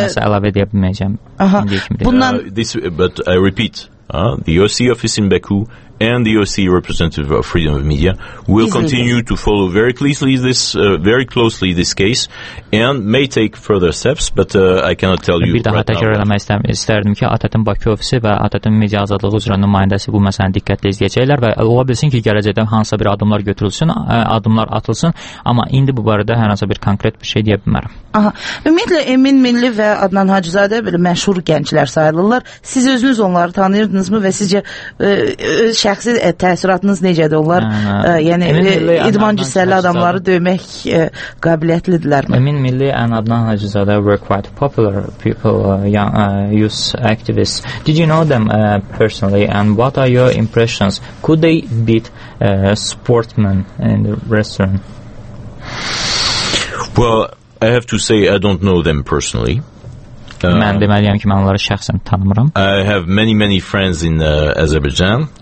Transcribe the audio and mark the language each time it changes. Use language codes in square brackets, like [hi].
[az] əlavə edə bilməyəcəm. Bundan [en] but I repeat, the OEC office in Baku and the OEC representative of freedom of media will continue to follow very closely this case and may take further steps, but I cannot tell you. [az] Bir daha təkrar eləmək istərdim ki, ATƏT-in Bakı ofisi və ATƏT-in media azadlığı üzrə nümayəndəsi bu məsələni diqqətlə izləyəcəklər və ola bilsin ki, gələcəkdə hansısa bir addımlar götürülsün, addımlar atılsın, amma indi bu barədə hər hansısa bir konkret bir şey deyə bilmərəm. Aha. Ümumiyyətlə, Emin Milli və Adnan Hacızadə belə məşhur gənclər sayılırlar. Siz özünüz onları tanıyırdınızmı və sizcə şəxsi təəssüratınız necədir? Onlar yəni idman cüssəli adamları döymək qabiliyyətlidirlərmi? [en] Emin Milli and Adnan Hacızadə were quite popular people, young youth activists. Did you know them personally and what are your impressions? Could they beat sportsmen in the restaurant? Well, I have to say I don't know them personally. [az] Mən deməliyəm ki, mən onları şəxsən tanımıram. [en] I have many friends in Azerbaijan.